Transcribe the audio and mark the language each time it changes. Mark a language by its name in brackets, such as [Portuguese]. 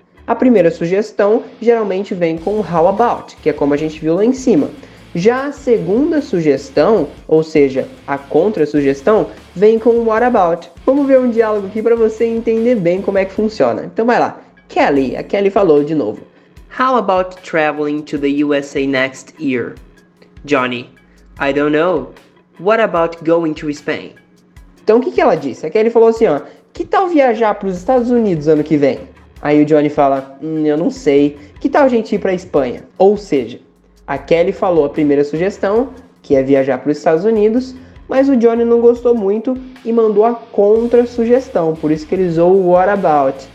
[Portuguese] A primeira sugestão geralmente vem com how about, que é como a gente viu lá em cima. Já a segunda sugestão, ou seja, a contra-sugestão, vem com what about. Vamos ver um diálogo aqui para você entender bem como é que funciona. Então vai lá. Kelly, a Kelly falou de novo. [English] How about traveling to the USA next year? Johnny, I don't know. What about going to Spain? [Portuguese] Então o que ela disse? A Kelly falou assim, ó, que tal viajar para os Estados Unidos ano que vem? Aí o Johnny fala, eu não sei, que tal a gente ir para a Espanha? Ou seja, a Kelly falou a primeira sugestão, que é viajar para os Estados Unidos, mas o Johnny não gostou muito e mandou a contra-sugestão, por isso que ele usou o what about.